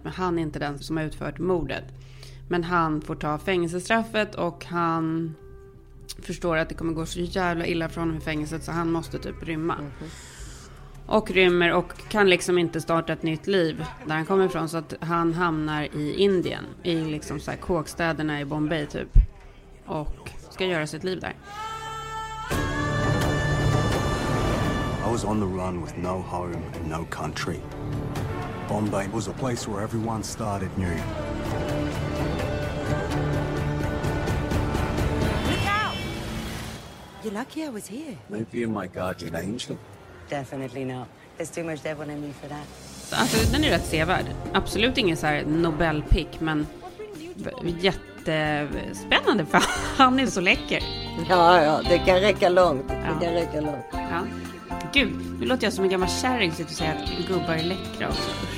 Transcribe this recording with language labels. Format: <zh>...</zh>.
<sv>Men han är inte den som har utfört mordet. Men han får ta fängelsestraffet och han förstår att det kommer gå så jävla illa för honom i fängelset så han måste typ rymma. Mm-hmm. Och rymmer och kan liksom inte starta ett nytt liv där han kommer ifrån. Så att han hamnar i Indien, i liksom så här kåkstäderna i Bombay typ. Och ska göra sitt liv där.</sv> <en>I was on the run with no home and no country. Bombay was a place where everyone started new. Look out! You're lucky I was here. Maybe you're my guardian angel. Definitely not. There's too much devil in me for that.</en> <sv>Alltså, den är rätt sevärd. Absolut ingen så här Nobelpick, men jättespännande för han är så läcker. Ja, det kan räcka långt. Ja. Gud, nu låter jag som en gammal kärring så att säga att gubbar är läckra och så.</sv>